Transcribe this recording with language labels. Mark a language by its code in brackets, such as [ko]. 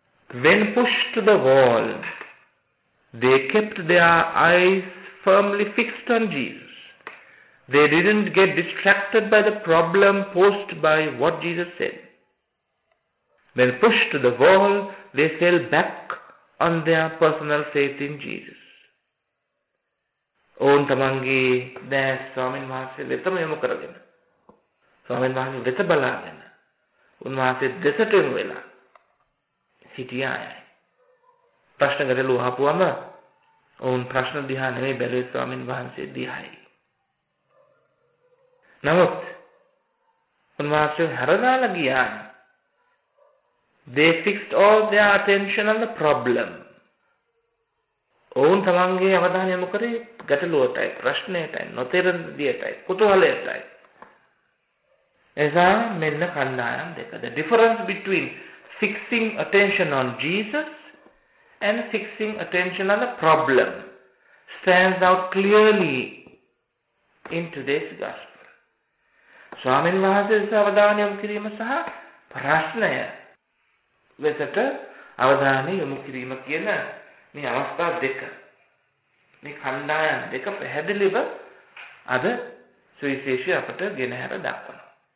[en] When pushed to the wall, they kept their eyes firmly fixed on Jesus. They didn't get distracted by the problem posed by what Jesus said. When pushed to the wall, they fell back on their personal faith in Jesus. [si] ඔවුන් තමන්ගේ දැස් ස්වාමීන් වහන්සේ වෙතම යොමු කරගෙන, ස්වාමීන් වහන්සේ වෙත බලාගෙන, උන්වහන්සේ දෙසට යොමු වෙලා සිටියාය. ප්‍රශ්න ගැටළු අහපුවම ඔවුන් ප්‍රශ්න දිහා නෙමෙයි බැලුවේ ස්වාමීන් වහන්සේ දිහායි. නමුත් උන්වහන්සේ හැරදාලා ගියා. [en] They fixed all their attention on the problem. [si] ඔවුන් තමන්ගේ අවධානය යොමු කරේ ගැටලුවටයි, ප්‍රශ්නයටයි, නොතේරෙන දෙයටයි, කුතුහලයටයි. එසා මෙන්න කණ්ඩායම් දෙකද. [en] Difference between fixing attention on Jesus and fixing attention on the problem stands out clearly in today's gospel. [si] ස්වාමීන් වහන්සේ විසින් අවධානය යොමු කිරීම සහ ප්‍රශ්නය වෙතට අවධානය යොමු කිරීම කියන මේ අවස්ථා දෙක, මේ කණ්ඩායම් දෙක පැහැදිලිව අද සුවිශේෂී අපට ගෙනහැර දක්වනවා.